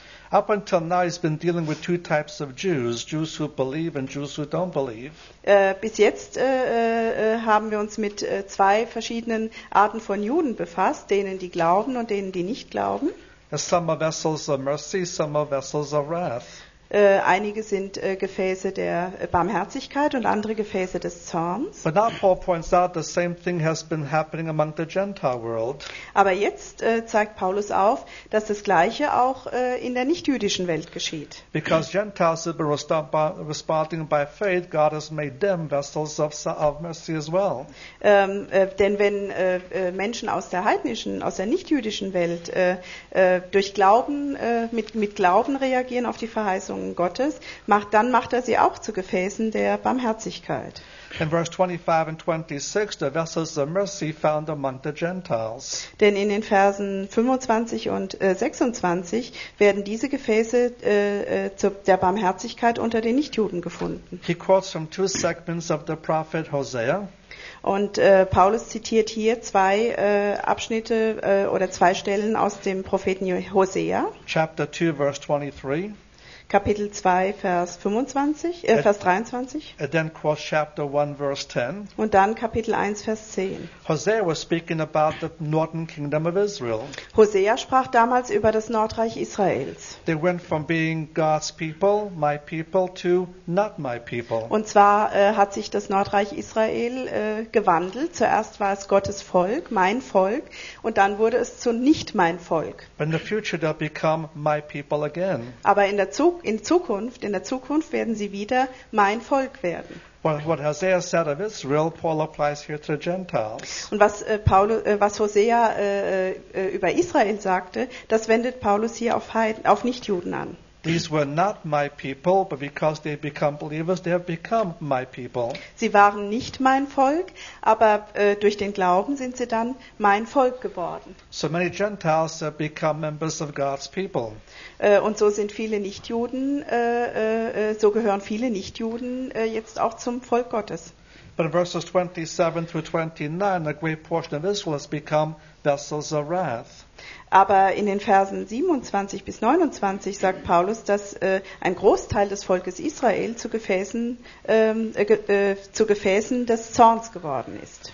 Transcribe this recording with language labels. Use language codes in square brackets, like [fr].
[en] Up until now he's been dealing with two types of Jews, Jews who believe and Jews who don't believe. [de] Bis jetzt haben wir uns mit zwei verschiedenen Arten von Juden befasst, denen die glauben und denen die nicht glauben. [en] Some are vessels of mercy, some are vessels of wrath. [de] Einige sind Gefäße der Barmherzigkeit und andere Gefäße des Zorns. [en] But now Paul points out the same thing has been happening among the Gentile world. [de] Aber jetzt zeigt Paulus auf, dass das Gleiche auch in der nichtjüdischen Welt geschieht. [en] Because Gentiles have been responding by faith, God has made them vessels of mercy as well. [de] Denn wenn Menschen aus der heidnischen, aus der nichtjüdischen Welt durch Glauben mit Glauben reagieren auf die Verheißung Gottes, dann macht er sie auch zu Gefäßen der Barmherzigkeit. [en] In verse 25 and 26, the vessels of mercy found among the Gentiles. [de] Denn in den Versen 25 und 26 werden diese Gefäße der Barmherzigkeit unter den Nichtjuden gefunden. [en] He quotes from two segments of the prophet Hosea. [de] Und Paulus zitiert hier zwei Abschnitte oder zwei Stellen aus dem Propheten Hosea. [en] Chapter 2, verse 23. [de] Kapitel 2, Vers 25, Vers 23. [en] And then quotes chapter 1, verse 10. [de] Und dann Kapitel 1, Vers 10. [en] Hosea was speaking about the northern kingdom of Israel. [de] Hosea sprach damals über das Nordreich Israels. [en] They went from being God's people, my people, to not my people. [de] Und zwar hat sich das Nordreich Israel gewandelt. Zuerst war es Gottes Volk, mein Volk, und dann wurde es zu nicht mein Volk. [en] But in the future they'll become my people again. [de] Aber in der Zukunft in der Zukunft werden sie wieder mein Volk werden. [en] What Hosea said of Israel, Paul applies here to Gentiles. [de] Und was Hosea über Israel sagte, das wendet Paulus hier auf Nichtjuden an. [en] These were not my people, but because they become believers, they have become my people. [de] Sie waren nicht mein Volk, aber durch den Glauben sind sie dann mein Volk geworden. [en] So many Gentiles have become members of God's people. [de] Und so sind viele Nichtjuden, so gehören viele Nichtjuden jetzt auch zum Volk Gottes. [en] But in verses 27 through 29, a great portion of Israel has become vessels of wrath. [de] Aber in den Versen 27 bis 29 sagt Paulus, dass ein Großteil des Volkes Israel zu Gefäßen des Zorns geworden ist.